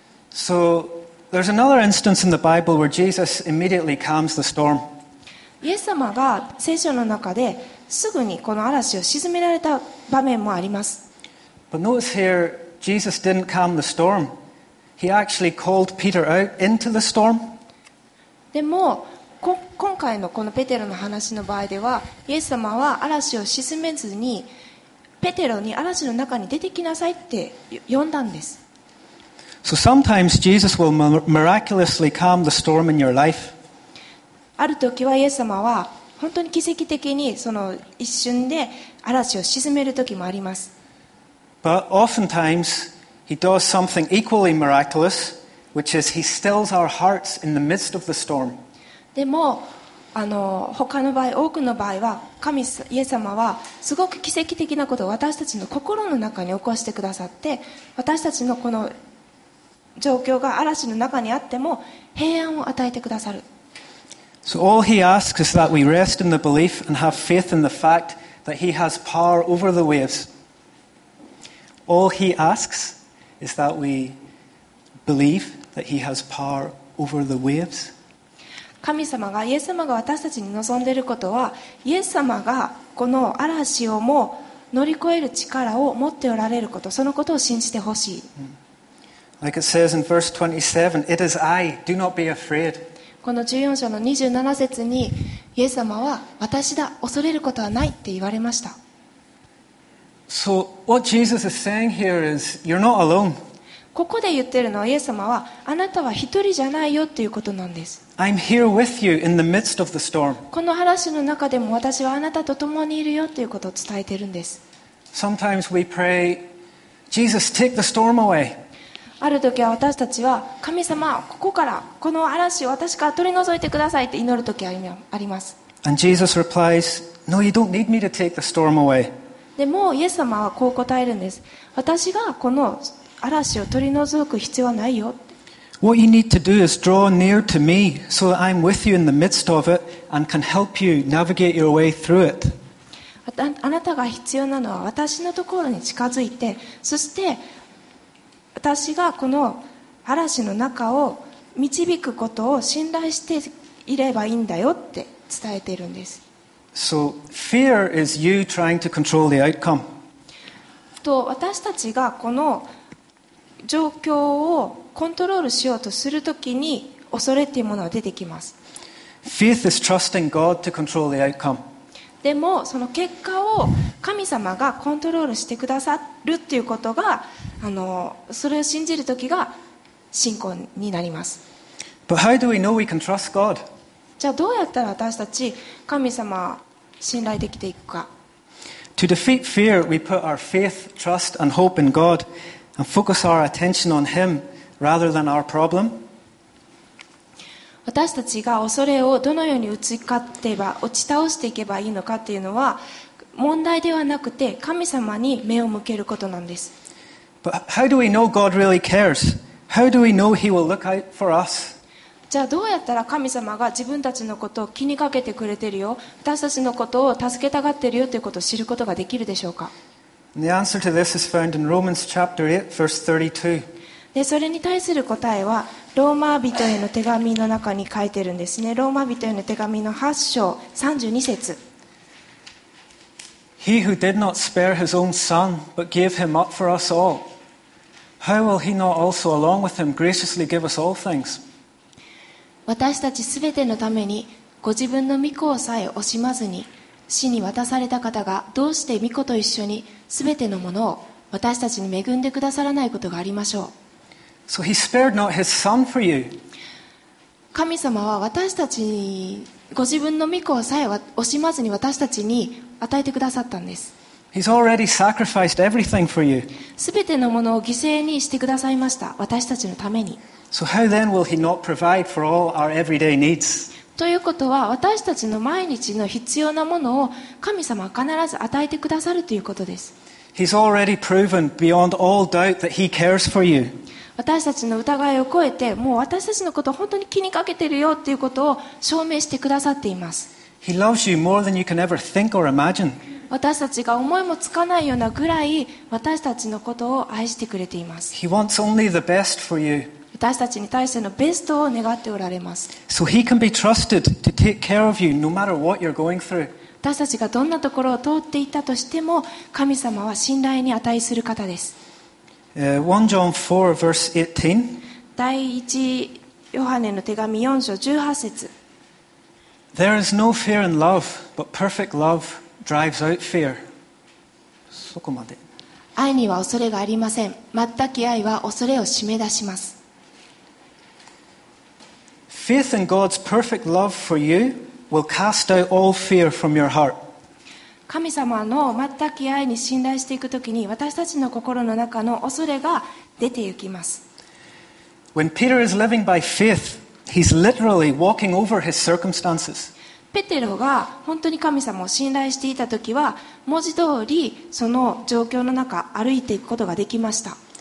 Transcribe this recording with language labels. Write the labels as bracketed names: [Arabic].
[English] So there's another instance in the Bible where Jesus immediately calms the storm. [Japanese] イエス様が聖書の中ですぐにこの嵐を沈められた場面もあります。 [English] But notice here, Jesus didn't calm the storm. He actually called Peter out into the storm. [Japanese] でも今回のこのペテロの話の場合ではイエス様は嵐を沈めずにペテロに嵐の中に出てきなさいって呼んだんです。 [English] So sometimes Jesus will miraculously calm the storm in your life. [Japanese] ある時はイエス様は本当に奇跡的にその一瞬で嵐を沈める時もあります。 [English] But oftentimes he does something equally miraculousWhich is he stills our hearts in the midst of the storm. [Japanese] でも他の場合、多くの場合は神イエス様はすごく奇跡的なことを私たちの心の中に起こしてくださって、私たちのこの状況が嵐の中にあっても平安を与えてくださる。 [English] So all he asks is that we rest in the belief and have faith in the fact that he has power over the waves. All he asks is that we believe that he has power over the waves. [Japanese] 神様がイエス様が私たちに望んでいることはイエス様がこの嵐をも乗り越える力を持っておられること、そのことを信じてほしい。 [English] Like it says in verse 27, it is I, do not be afraid. [Japanese] この14章の27節にイエス様は私だ、恐れることはないって言われました。 [English] So what Jesus is saying here is, you're not alone. [Japanese] ここで言ってるのはイエス様はあなたは一人じゃないよっていうことなんです。 [English] I'm here with you in the midst of the storm. [Japanese] この嵐の中でも私はあなたと共にいるよっていうことを伝えてるんです。 [English] Sometimes we pray, Jesus, take the storm away. [Japanese] ある時は私たちは神様ここからこの嵐を私から取り除いてくださいって祈る時はあります。 [English] And Jesus replies, No, you don't need me to take the storm away. [Japanese] でもイエス様はこう答えるんです。私がこの嵐を取り除く必要はないよ。 [English] What you need to do is draw near to me so that I'm with you in the midst of it and can help you navigate your way through it. [Japanese] あなたが必要なのは私のところに近づいて、そして私がこの嵐の中を導くことを信頼していればいいんだよって伝えているんです。 [English] So fear is you trying to control the outcome. [Japanese] と私たちがこの状況をコントロールしようとするときに恐れというものが出てきます。 [English] Faith is trusting God to control the outcome. [Japanese] でもその結果を神様がコントロールしてくださるということが、それを信じるときが信仰になります。 [English] But how do we know we can trust God? [Japanese] じゃあどうやったら私たち神様を信頼できていくか。 [English] To defeat fear, we put our faith, trust, and hope in God, and focus our attention on Him rather than our problem. [Japanese] 私たちが恐れをどのように打ち勝てば、打ち倒していけばいいのかっていうのは問題ではなくて神様に目を向けることなんです。 [English] But how do we know God really cares? How do we know He will look out for us? [Japanese] じゃあどうやったら神様が自分たちのことを気にかけてくれてるよ、私たちのことを助けたがってるよということを知ることができるでしょうか。 [English] The answer to this is found in Romans chapter 8, verse 32. [Japanese] でそれに対する答えはローマ人への手紙の中に書いてるんですね。ローマ人への手紙の8章32節。 [English] He who did not spare his own son, but gave him up for us all, how will he not also along with him graciously give us all things? [Japanese] 私たちすべてのためにご自分の御子をさえ惜しまずに死に渡された方がどうして御子と一緒にすべてのものを私たちに恵んでくださらないことがありましょう。 [English] So he spared not his son for you. [Japanese] 神様は私たちにご自分の御子をさえ惜しまずに私たちに与えてくださったんです。 [English] He's already sacrificed everything for you. [Japanese] すべてのものを犠牲にしてくださいました。私たちのために。 [English] So how then will he not provide for all our everyday needs? [Japanese] ということは私たちの毎日の必要なものを神様は必ず与えてくださるということです。 [English] He's already proven beyond all doubt that he cares for you. [Japanese] 私たちの疑いを超えてもう私たちのことを本当に気にかけてるよということを証明してくださっています。 [English] He loves you more than you can ever think or imagine. [Japanese] 私たちが思いもつかないようなぐらい私たちのことを愛してくれています。 [English] He wants only the best for you. [Japanese] 私たちに対してのベストを願っておられます。 [English] So he can be trusted to take care of you no matter what you're going through. [Japanese] 私たちがどんなところを通っていたとしても、神様は信頼に値する方です。 [English] 1 John 4, verse 18. [Japanese] 第一ヨハネの手紙4章18節。 [English] There is no fear in love, but perfect love drives out fear. [Japanese] そこまで。愛には恐れがありません。全く愛は恐れを締め出します。 [English] Faith in God's perfect love for you will cast out all fear from your heart. [Japanese] 神様の全く愛に信頼していくときに、私たちの心の中の恐れが出て行きます。 [English] When Peter is living by faith, he's literally walking over his circumstances. [Japanese] ペテロが本当に神様を信頼していたときは、文字通りその状況の中歩いていくことができました。